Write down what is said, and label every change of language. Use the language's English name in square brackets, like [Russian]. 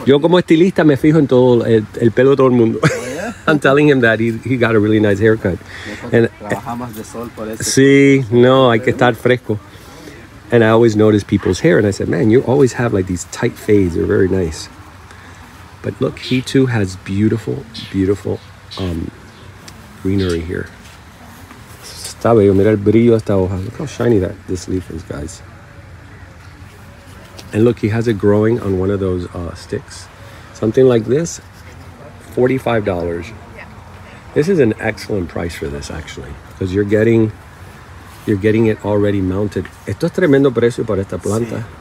[Spanish] yo como estilista me fijo en todo el pelo de todo el mundo. [English] Oh, yeah. I'm telling him that he got a really nice haircut. [Spanish] Trabajamos de sol, parece. Sí, no, hay que estar fresco. [English] And I always notice people's hair, and I said, man, you always have like these tight fades. They're very nice. But look, he too has beautiful, beautiful greenery here. [Spanish] Está bello, mira el brillo de esta hoja. [English] Look how shiny that this leaf is, guys. And look, he has it growing on one of those sticks. Something like this, $45. This is an excellent price for this, actually, because you're getting it already mounted. [Spanish] Esto es tremendo precio para esta planta, sí.